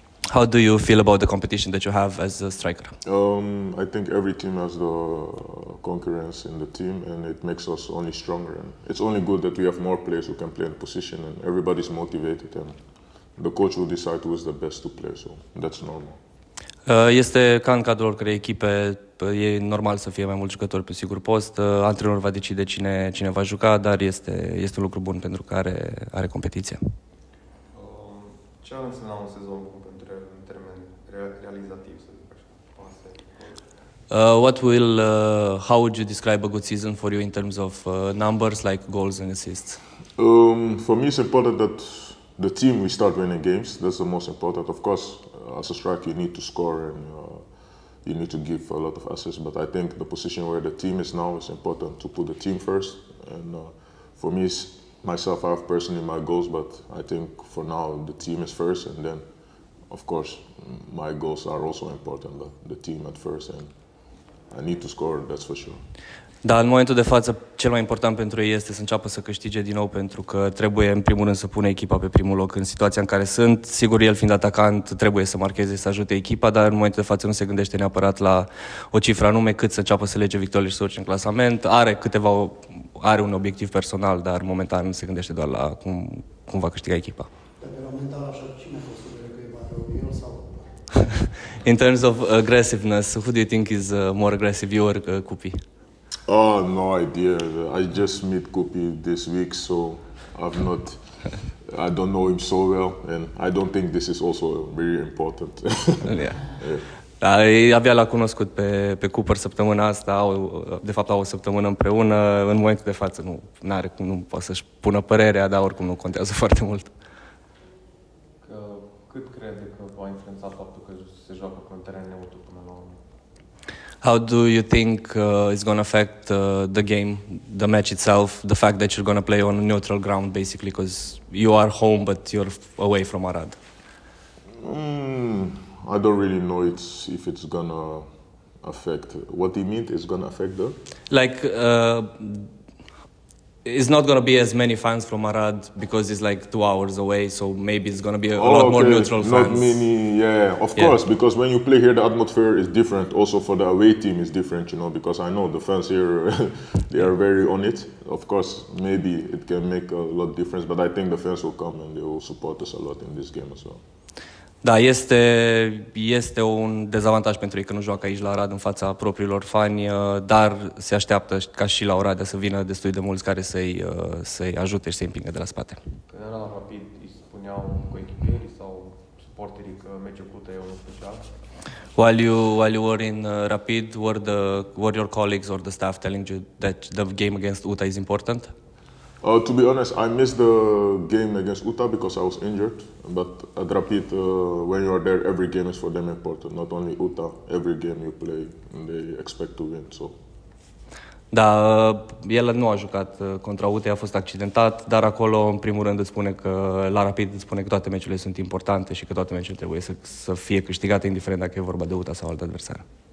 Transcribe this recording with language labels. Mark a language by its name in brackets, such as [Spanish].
[English] How do you feel about the competition that you have as a striker? I think every team has the concurrence in the team, and it makes us only stronger. And it's only good that we have more players who can play in position, and everybody's motivated, and the coach will decide who is the best to play, so that's normal. [Romanian] Este ca în cadrul oricărei echipe, e normal să fie mai mulți jucători pe sigur post, antrenorul va decide cine va juca, dar este un lucru bun pentru că are competiția. Ce ar însemna un sezon bun pentru el în termen realizativ, să zic așa, pase? [English] How would you describe a good season for you in terms of numbers, like goals and assists? For me, it's important that the team, we start winning games. That's the most important. Of course, as a striker, you need to score and you need to give a lot of assists. But I think the position where the team is now is important to put the team first. And for me, myself, I have personally my goals, but I think for now the team is first, and then, of course, my goals are also important, but the team at first, and I need to score, that's for sure. [Romanian] Da, în momentul de față, cel mai important pentru ei este să înceapă să câștige din nou, pentru că trebuie, în primul rând, să pună echipa pe primul loc în situația în care sunt. Sigur, el fiind atacant, trebuie să marcheze, să ajute echipa, dar în momentul de față nu se gândește neapărat la o cifră anume, cât să înceapă să lege victorii și să urce în clasament. Are câteva are un obiectiv personal, dar momentan se gândește doar la cum va câștiga echipa. Dar la mental așa, cine consideră că e mai rău, el sau? [English] In terms of aggressiveness, who do you think is more aggressive, you or Kupi? Oh, no idea. I just met Kupi this week, so I've not... I don't know him so well, and I don't think this is also very important. Yeah. Yeah. [Romanian] Abia l-a cunoscut pe Cooper săptămâna asta, au o săptămână împreună, în momentul de față nu poate să-și pună părerea, dar oricum nu contează foarte mult. Cât crede că va influența faptul că se joacă pe un teren neutru până la urmă? [English] How do you think it's going to affect the game, the match itself, the fact that you're going to play on a neutral ground, basically, because you are home, but you're away from Arad? I don't really know if it's going to affect. What do you mean it's going to affect, though? Like, it's not going to be as many fans from Arad because it's like 2 hours away, so maybe it's going to be a lot more neutral fans. Not many, of course, because when you play here, the atmosphere is different. Also for the away team is different, you know, because I know the fans here, they are very on it. Of course, maybe it can make a lot of difference, but I think the fans will come and they will support us a lot in this game as well. [Romanian] Da, este un dezavantaj pentru ei că nu joacă aici la Arad în fața propriilor fani, dar se așteaptă ca și la Oradea să vină destul de mulți care să-i ajute și să-i împingă de la spate. Când era la Rapid, îi spuneau coechipierii sau suporterii că meciul cu tăi e unul special? [English] While you were in Rapid, were your colleagues or the staff telling you that the game against UTA is important? To be honest, I missed the game against UTA because I was injured. But at Rapid, when you are there, every game is for them important. Not only UTA, every game you play, they expect to win. So. [Romanian] Da, el nu a jucat contra UTA, a fost accidentat, dar acolo, în primul rând, la Rapid îți spune că toate meciurile sunt importante și că toate meciurile trebuie să fie câștigate, indiferent dacă e vorba de UTA sau alt adversar.